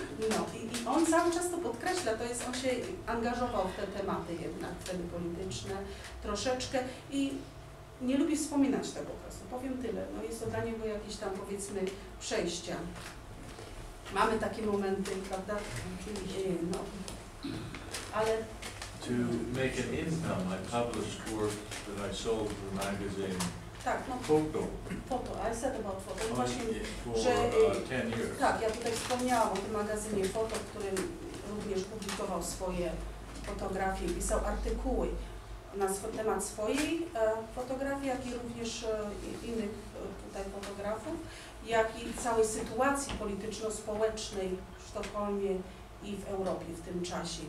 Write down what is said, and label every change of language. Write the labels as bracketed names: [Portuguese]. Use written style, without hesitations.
[Polish] No i on cały czas to podkreśla, to jest, on się angażował w te tematy jednak, wtedy polityczne troszeczkę i nie lubi wspominać tego okresu. Powiem tyle, no jest to dla niego jakieś tam, powiedzmy, przejścia. Mamy takie momenty, prawda? No. Ale... [English] To make an income, I published work that I sold for a magazine. [Polish] Tak, no, foto, [English] I said about foto, [Polish] no właśnie, [English] for, [Polish] że, [English] 10 years. [Polish] Tak, ja tutaj wspomniałam o tym magazynie foto, w którym również publikował swoje fotografie, pisał artykuły na temat swojej fotografii, jak i również innych tutaj fotografów, jak i całej sytuacji polityczno-społecznej w Sztokholmie i w Europie w tym czasie.